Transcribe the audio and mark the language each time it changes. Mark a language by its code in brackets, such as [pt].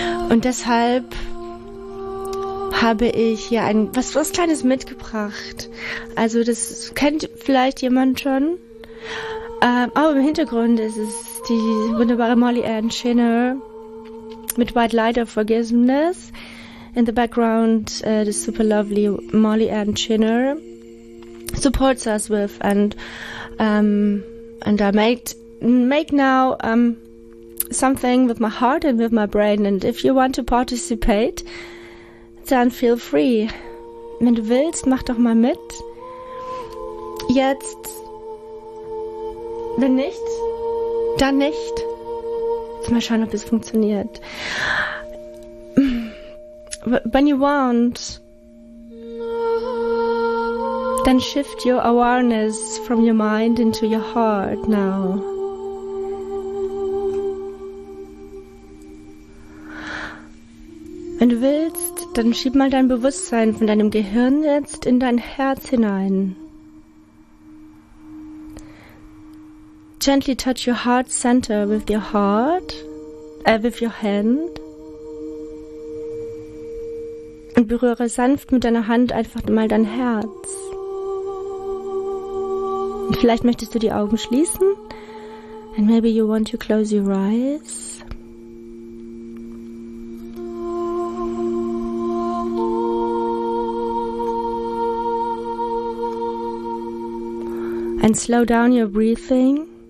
[de] Und deshalb habe ich hier was Kleines mitgebracht. Also das kennt vielleicht jemand schon. Im Hintergrund ist es die wunderbare Molly Ann Schinner mit White Light of Forgiveness. [en] In the background, the super lovely Molly Ann Schinner supports us with and I make now something with my heart and with my brain. And if you want to participate, then feel free. [de] Wenn du willst, mach doch mal mit. Jetzt. Wenn nicht, dann nicht. Mal schauen, ob es funktioniert. [en] When you want, then shift your awareness from your mind into your heart now. [de] Wenn du willst, dann schieb mal dein Bewusstsein von deinem Gehirn jetzt in dein Herz hinein. [en] Gently touch your heart center with your heart, with your hand. [de] Und berühre sanft mit deiner Hand einfach mal dein Herz. Vielleicht möchtest du die Augen schließen. [en] And maybe you want to close your eyes. And slow down your breathing.